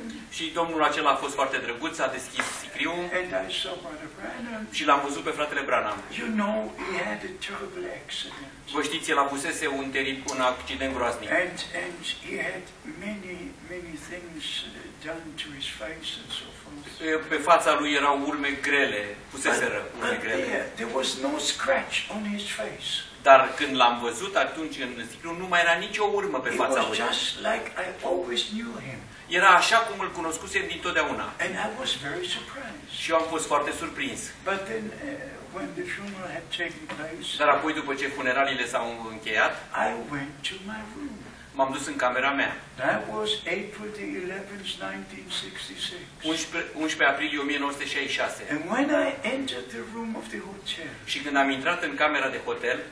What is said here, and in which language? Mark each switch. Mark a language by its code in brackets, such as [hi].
[ro] Și domnul acela a fost foarte drăguț, a deschis sicriul. [en] And I saw Brother Branham. [ro] Și l-am văzut pe fratele Branham. [en] You know, he had a terrible accident. [ro] Vă știți, el avusese un accident groaznic. [en] And he had many things done to his face and so forth. [ro] Pe fața lui erau urme grele, puseseră urme grele. [en] There was no scratch on his face. [ro] Dar când l-am văzut atunci în sicriu, nu mai era nicio urmă pe fața lui. [en] Just like I always knew him. [ro] Era așa cum îl cunoscusem dintotdeauna. [en] And I was very surprised. [ro] Și eu am fost foarte surprins. [en] But then, when the funeral had taken place, [ro] dar apoi după ce funeraliile s-au încheiat, [en] I went to my room. [ro] M-am dus în camera mea. [en] That was April the 11th, 1966. [ro] 11 aprilie 1966. [en] And when I entered the room of the hotel. [ro] Și când am intrat în camera de hotel,